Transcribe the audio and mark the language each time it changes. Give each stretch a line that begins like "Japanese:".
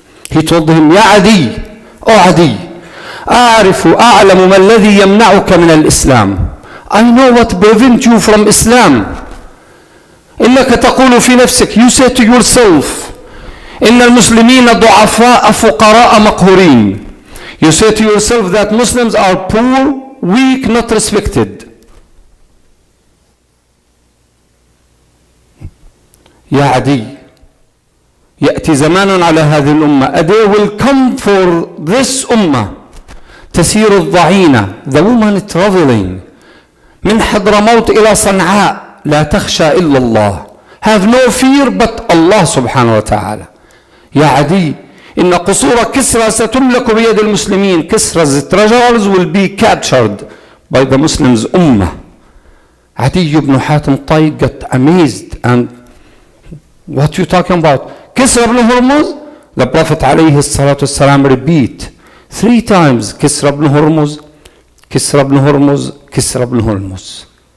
English: He told him,
Arabic: Ya Adi,
English: O Adi,
Arabic: أعرفُ أعلمُ ما الذي يمنعك من الإسلام.
English: I know what prevents you from Islam.
Arabic: إنك تقول في نفسك,
English: you say to yourself,
Arabic: إن المسلمين ضعفاء فقراء مقهورين.
English: You say to yourself that Muslims are poor, weak, not respected.
Arabic: يا عدي يأتي زمان على هذه الأمة.
English: A day will come for this ummah.
Arabic: تسير الضعينة,
English: the woman traveling
Arabic: من حضرموت إلى صنعاء, لا تخشى إلا الله.
English: Have no fear but Allah
Arabic: سبحانه وتعالى. يا عدي إن قصور كسرى ستملك بيد المسلمين.
English: Kisra's treasures will be captured by the Muslims' ummah. Adi ibn Hatim Tai got amazed and what you talking about? Kisra ibn Hormuz? The Prophet alayhi salatu wasalam repeat 3 times, Kisra ibn Hormuz, Kisra ibn Hormuz, Kisra ibn Hormuz.